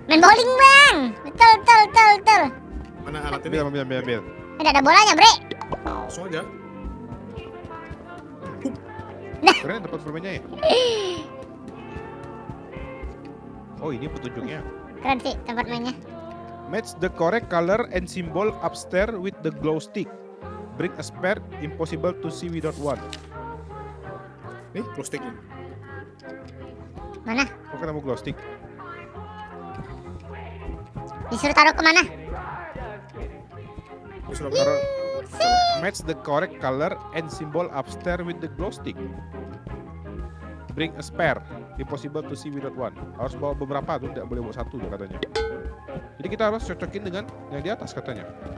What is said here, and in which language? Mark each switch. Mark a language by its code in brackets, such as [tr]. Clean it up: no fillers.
[id] Main bowling, Bang. Betul. Mana alat ini? Ambil. Enggak ada bolanya, Bre. Langsung aja. Nah. Keren tempat bermainnya ya. Oh, ini petunjuknya. Keren sih tempat mainnya. [en] Match the correct color and symbol upstairs with the glow stick. Bring a spare, impossible to see without one. [id] Nih, glow stick ini. Mana? Kok kena mau glow stick? Disuruh taruh ke mana? Disuruh taruh. [en] Match the correct color and symbol upstairs with the glow stick. Bring a spare. Impossible to see without one. [id] Harus bawa beberapa tuh, tidak boleh bawa satu tuh katanya. Jadi kita harus cocokin dengan yang di atas katanya.